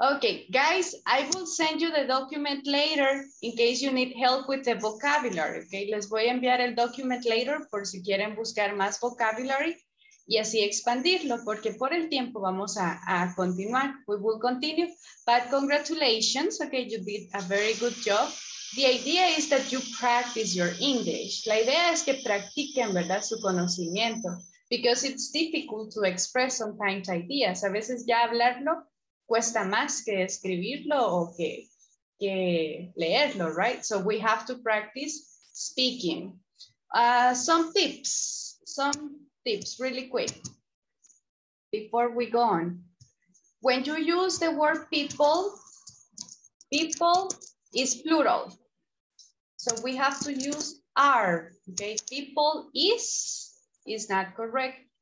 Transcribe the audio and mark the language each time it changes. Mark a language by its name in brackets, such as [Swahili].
[English] Okay, guys, I will send you the document later in case you need help with the vocabulary. [Spanish] Okay, les voy a enviar el [English] document later [Spanish] por si quieren buscar más vocabulary y así expandirlo, porque por el tiempo vamos a continuar. [English] We will continue. But congratulations. Okay, you did a very good job. The idea is that you practice your English. [Spanish] La idea es que practiquen, ¿verdad?, su conocimiento. [English] Because it's difficult to express sometimes ideas. [Spanish] A veces ya hablarlo cuesta más que escribirlo o que leerlo, right? [English] So we have to practice speaking. Some tips really quick before we go on. When you use the word people is plural. So we have to use are, okay? People is not correct.